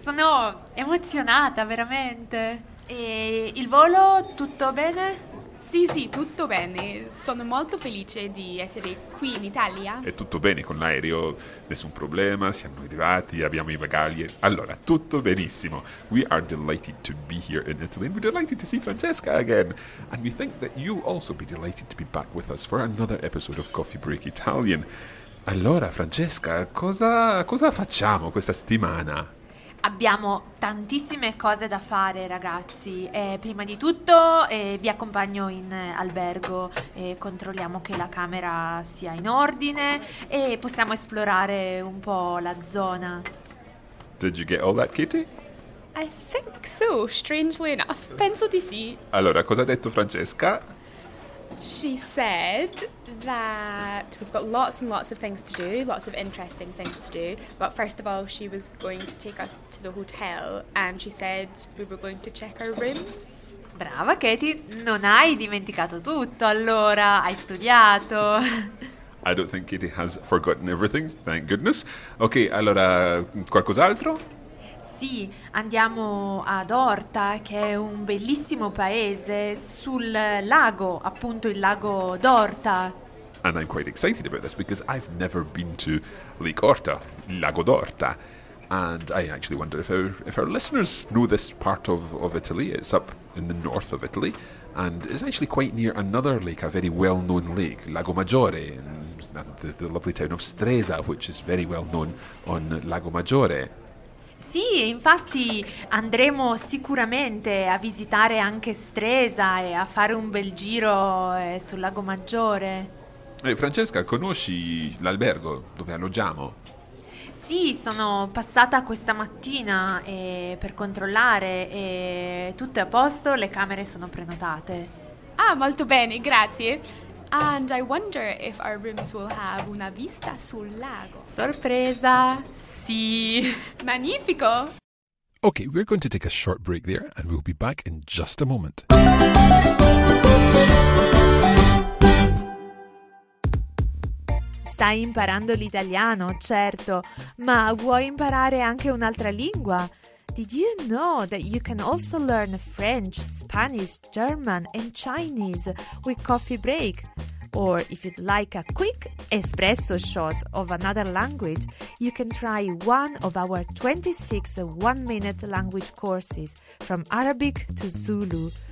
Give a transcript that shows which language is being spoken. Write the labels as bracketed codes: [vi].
[it] Sono emozionata, veramente. E il volo, tutto bene? Sì, sì, tutto bene. Sono molto felice di essere qui in Italia. È tutto bene con l'aereo, nessun problema, siamo arrivati, abbiamo i bagagli. Allora, tutto benissimo. [en] We are delighted to be here in Italy. We're delighted to see Francesca again. And we think that you'll also be delighted to be back with us for another episode of Coffee Break Italian. [it] Allora, Francesca, cosa facciamo questa settimana? Abbiamo tantissime cose da fare, ragazzi. Prima di tutto vi accompagno in albergo e controlliamo che la camera sia in ordine e possiamo esplorare un po' la zona. [en] Did you get all that, Kitty? I think so, strangely enough. [it] Penso di sì. Allora, cosa ha detto Francesca? [en] She said that we've got lots and lots of things to do, lots of interesting things to do, but first of all she was going to take us to the hotel and she said we were going to check our rooms. [it] Brava Katie, non hai dimenticato tutto allora, hai studiato. [en] I don't think Katie has forgotten everything, thank goodness. [it] Ok, allora qualcos'altro? Sì, andiamo ad Orta, che è un bellissimo paese sul lago, appunto il lago d'Orta. [en] And I'm quite excited about this because I've never been to Lake Orta, il lago d'Orta. And I actually wonder if our listeners know this part of Italy. It's up in the north of Italy and it's actually quite near another lake, a very well-known lake, Lago Maggiore, in the lovely town of Stresa, which is very well-known on Lago Maggiore. [it] Sì, infatti andremo sicuramente a visitare anche Stresa e a fare un bel giro sul Lago Maggiore. Francesca, conosci l'albergo dove alloggiamo? Sì, sono passata questa mattina per controllare e tutto è a posto, le camere sono prenotate. Ah, molto bene, grazie. [en] And I wonder if our rooms will have [it] una vista sul lago. Sorpresa! Sì! Magnifico! [en] Okay, we're going to take a short break there and we'll be back in just a moment. [it] Stai imparando l'italiano, certo, ma vuoi imparare anche un'altra lingua? [en] Did you know that you can also learn French, Spanish, German and Chinese with Coffee Break? Or if you'd like a quick espresso shot of another language, you can try one of our 26 one-minute language courses from Arabic to Zulu.